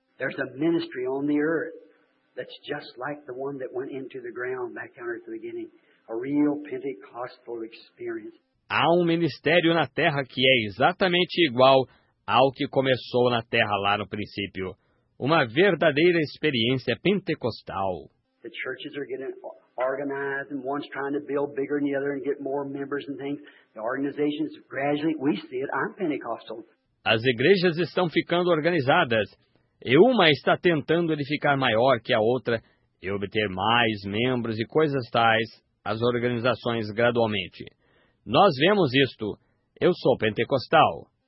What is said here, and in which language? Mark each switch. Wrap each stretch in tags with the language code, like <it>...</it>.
<en>There's a ministry on the earth. that's just like the one that went into the ground back out at the beginning. A real Pentecostal experience.</en> <pt>Há um ministério na terra que é exatamente igual ao que começou na terra lá no princípio. Uma verdadeira experiência pentecostal.</pt> <en>The churches are getting organized and one's trying to build bigger than the other and get more members and things. The organizations gradually, we see it, I'm Pentecostal.</en> <pt>As igrejas estão ficando organizadas e uma está tentando edificar maior que a outra e obter mais membros e coisas tais, as organizações gradualmente. Nós vemos isto. Eu sou pentecostal.</pt>